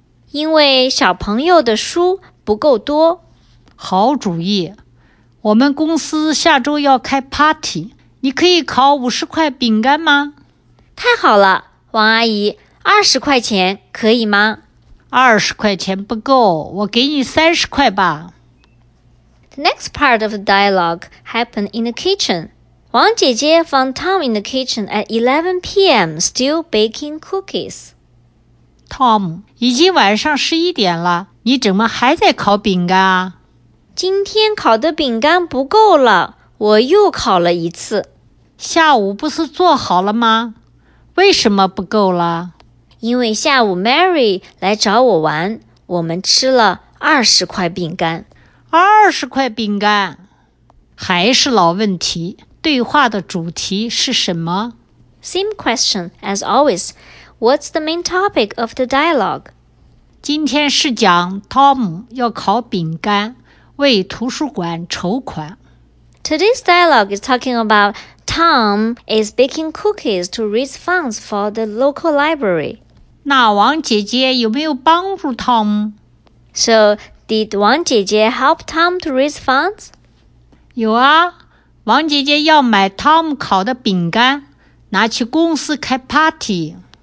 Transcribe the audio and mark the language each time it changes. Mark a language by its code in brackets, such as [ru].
[zh] 因为小朋友的书不够多。好主意，我们公司下周要开 party， 你可以烤50块饼干吗？太好了，王阿姨，20块钱可以吗？ 20块钱不够，我给你30块吧。 [en] The next part of the dialogue happened in the kitchen. 王姐姐 found Tom in the kitchen at 11 p.m. still baking cookies. [zh] Tom, 已经晚上11点了，你怎么还在烤饼干啊？今天烤的饼干不够了，我又烤了一次。下午不是做好了吗？为什么不够了？因为下午 Mary 来找我玩，我们吃了20块饼干。 20块饼干，还是老问题。对话的主题是什么 [en] ？Same question as always. What's the main topic of the dialogue? [zh] 今天是讲 Tom 要烤饼干，为图书馆筹款。 [en] Today's dialogue is talking about Tom is baking cookies to raise funds for the local library. [zh] 那王姐姐有没有帮助 Tom? [en] So, did 王姐姐 help Tom to raise funds? [zh] 有啊，王姐姐要买 Tom 烤的饼干，拿去公司开 party。